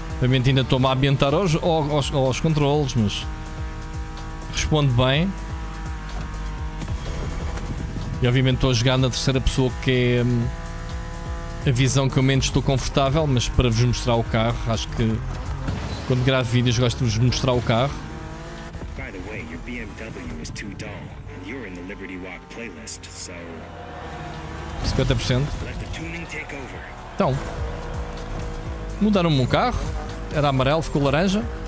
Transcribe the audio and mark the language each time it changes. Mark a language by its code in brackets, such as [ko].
[pt] Obviamente ainda estou-me a ambientar aos controles, mas responde bem. E obviamente estou a jogar na terceira pessoa, que é a visão que eu menos estou confortável, mas para vos mostrar o carro, acho que quando gravo vídeos gosto de vos mostrar o carro. [en] By the way, your BMW is too dull, and you're in the Liberty Walk playlist, so... 50%. Let the tuning take over. [pt] Então, mudaram-me o carro, era amarelo, ficou laranja.